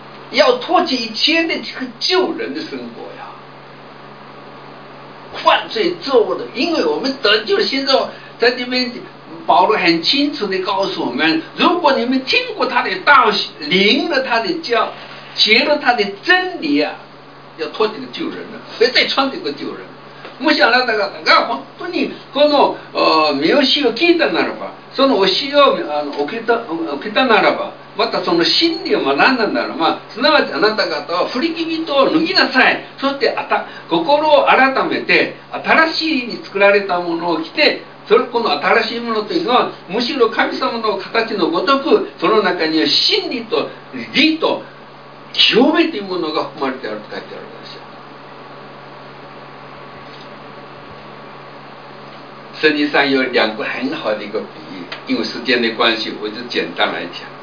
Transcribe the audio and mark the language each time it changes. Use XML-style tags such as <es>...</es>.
<zh>要脱去一切的这个旧人的生活呀，犯罪作恶的，因为我们得救了，现在在这边，保罗很清楚地告诉我们：如果你们听过他的道，领了他的教，学了他的真理啊，要脱这个旧人了，别再穿这个旧人。</zh> <ja>もしあなたが本当にこの見教えを聞いたならば、その教えを受けたならば、またその真理を学んだならば、すなわちあなた方は古き人を脱ぎなさい。そして心を改めて新しいに作られたものを着て、それこの新しいものというのはむしろ神様の形のごとく、その中には真理と義と清めというものが含まれていると書いてあるんですよ。</ja> <zh>圣经上有两个很好的一个比喻，因为时间的关系，我就简单来讲。</zh>